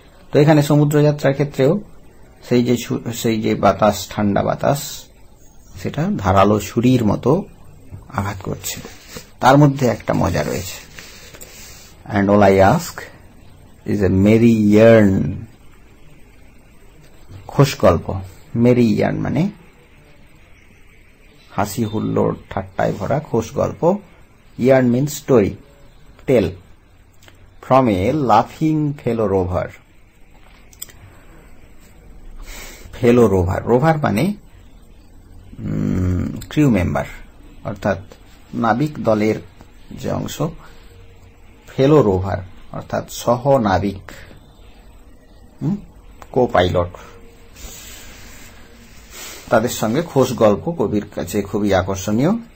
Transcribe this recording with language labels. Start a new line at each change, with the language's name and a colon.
Bangla: তো এখানে সমুদ্রযাত্রার ক্ষেত্রেও সেই যে বাতাস, ঠান্ডা বাতাস, সেটা ধারালো ছুরির মতো আঘাত করছে, তার মধ্যে একটা মজা রয়েছে।
English: And all I ask is a merry yarn.
Bangla: খুশ গল্প,
English: merry yarn
Bangla: মানে হাসি হুল্লোড় ঠাট্টায় ভরা খুশ গল্প,
English: yarn means story, tell, from a laughing fellow rover. Fellow rover, rover
Bangla: মানে
English: crew member,
Bangla: অর্থাৎ নাবিক দলের যে অংশ, ফেলো রোভার অর্থাৎ সহ নাবিক, কোপাইলট, তাদের সঙ্গে খোঁজ গল্প কবির কাছে খুবই আকর্ষণীয়।